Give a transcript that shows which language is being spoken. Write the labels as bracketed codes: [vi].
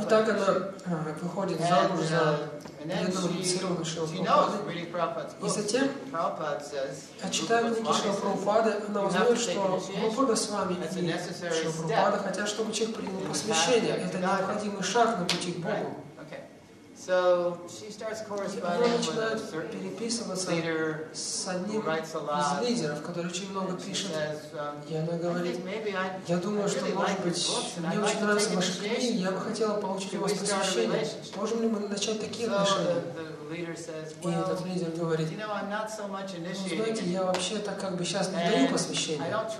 [ru] Итак, она выходит замуж за преданного инициированного Шрилы Прабхупады. И затем, читая книги Шрилы Прабхупады, она узнает, что Прабхупада с вами и Шрилы Прабхупада хотят, чтобы человек принял посвящение. Это необходимый шаг на пути к Богу. [en] So she starts corresponding with a certain leader, [ru] с лидером, который очень много пишет. И она говорит: я думаю, что может быть, мне очень нравятся ваши книги, я бы хотела получить у вас посвящение. Можем ли мы начать такие отношения? И этот лидер говорит: знаете, я вообще так как бы сейчас не даю посвящение.